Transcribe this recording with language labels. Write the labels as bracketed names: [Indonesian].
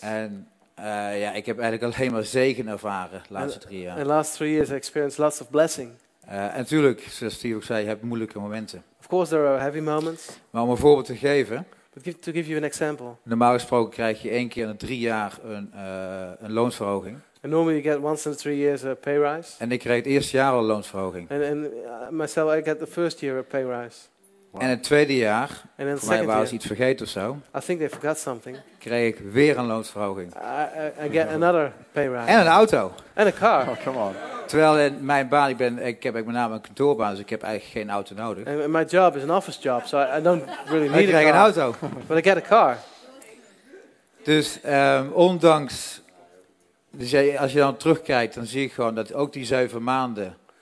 [Dutch] En ja, ik heb eigenlijk alleen maar zegen ervaren de laatste 3 jaar. [English] In the last 3 years, I experienced lots of blessing. [Dutch] En natuurlijk, zoals Steve ook zei, je hebt moeilijke momenten. [English] Of course, there are heavy moments. [Dutch] Maar om een voorbeeld te geven. [English] But to give you an example. [Dutch] Normaal gesproken krijg je 1 keer in de 3 jaar een loonsverhoging. [English] And normally you get once in 3 years a pay rise. [Dutch] En ik kreeg het eerste jaar al een loonsverhoging. [English] And myself, I get the first year a pay rise. Wow. [Dutch] En het tweede jaar, voor mij waren ze iets vergeten of zo. [English] I think they forgot something. [Dutch] Kreeg ik weer een loonsverhoging. [English] I get another pay rise. [Dutch] En een auto. [English] And a car. Oh, come on. [Dutch] Terwijl in mijn baan, ik heb met name een kantoorbaan, dus ik heb eigenlijk geen auto nodig. [English] And my job is an office job, so I don't really need a car. [Dutch] Ik krijg een auto. [English] But I get a car. [Dutch] Dus ondanks, dus als je dan terugkijkt, dan zie ik gewoon dat ook die 7 maanden...